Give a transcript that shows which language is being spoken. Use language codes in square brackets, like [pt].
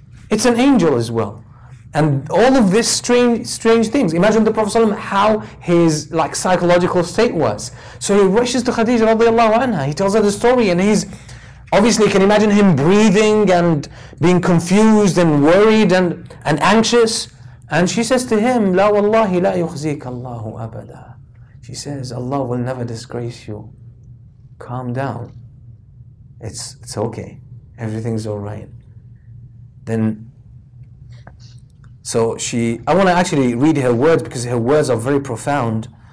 [en] It's an angel as well. And all of these strange things. Imagine the Prophet ﷺ, how his like psychological state was. So he rushes to Khadija radiallahu anha. He tells her the story and he's obviously, you can imagine him breathing and being confused and worried and anxious. And she says to him, [ar] لا والله لا يخزيك الله أبدا. [en] She says, Allah will never disgrace you. Calm down. It's okay. Everything's all right. Then, so she, I want to actually read her words because her words are very profound.